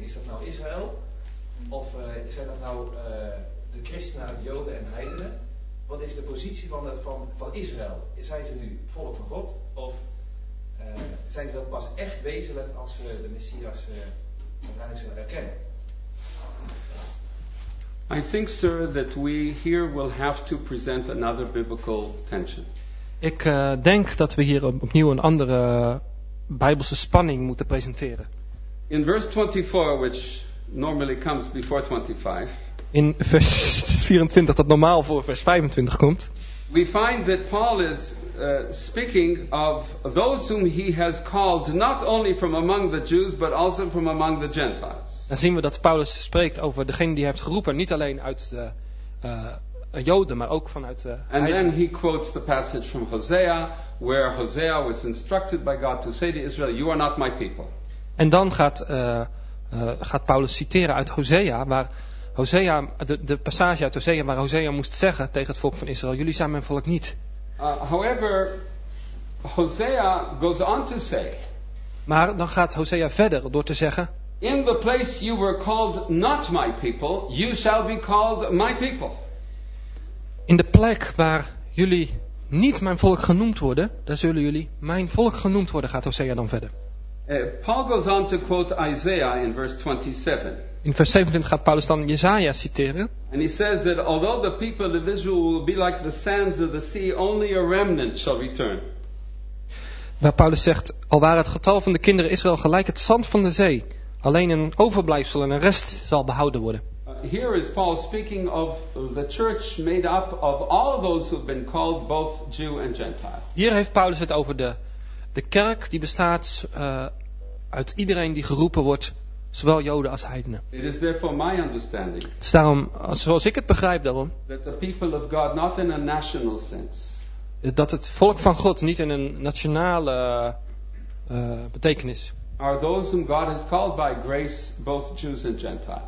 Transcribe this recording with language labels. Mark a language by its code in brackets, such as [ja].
[nl] Is dat nou Israël? Of zijn dat nou de christenen, de joden en de heidenen? Wat is de positie van Israël? Zijn ze nu het volk van God? Of zijn ze dat pas echt wezenlijk als ze de Messias uiteindelijk zullen herkennen? [en] I think, sir, that we here will have to present another biblical tension. [nl] Ik denk dat we hier opnieuw een andere Bijbelse spanning moeten presenteren. [en] In verse 24, which normally comes before 25. [nl] In vers 24, dat normaal voor vers 25 komt. [en] We find that Paul is speaking of those whom he has called not only from among the Jews but also from among the Gentiles. [nl] Dan zien we dat Paulus spreekt over degene die hij heeft geroepen, niet alleen uit de Joden, maar ook vanuit de heidenen. [en] And then he quotes the passage from Hosea, where Hosea was instructed by God to say to Israel, "You are not my people." [nl] En dan gaat Paulus citeren uit Hosea, waar Hosea de passage uit Hosea waar Hosea moest zeggen tegen het volk van Israël, jullie zijn mijn volk niet. [en] However, Hosea goes on to say. [nl] Maar dan gaat Hosea verder door te zeggen. [en] In the place you were called not my people, you shall be called my people. [nl] In de plek waar jullie niet mijn volk genoemd worden, daar zullen jullie mijn volk genoemd worden, gaat Hosea dan verder. [en] Paul goes on to quote Isaiah in verse 27. [nl] In vers 27 gaat Paulus dan Jesaja citeren. [en] And he says that although the people of Israel will be like the sands of the sea, only a remnant shall return. [nl] Waar Paulus zegt, al waren het getal van de kinderen Israël gelijk het zand van de zee, alleen een overblijfsel en een rest zal behouden worden. [en] Here is Paul speaking of the church made up of all those who have been called both Jew and Gentile. [nl] Hier heeft Paulus het over de kerk die bestaat uit iedereen die geroepen wordt. Zowel Joden als heidenen. [en] It is therefore my understanding. [nl] Het is daarom, zoals ik het begrijp, daarom. [en] That the people of God, not in a national sense. [nl] Dat het volk van God niet in een nationale betekenis. [en] Are those whom God has called by grace, both Jews and Gentiles.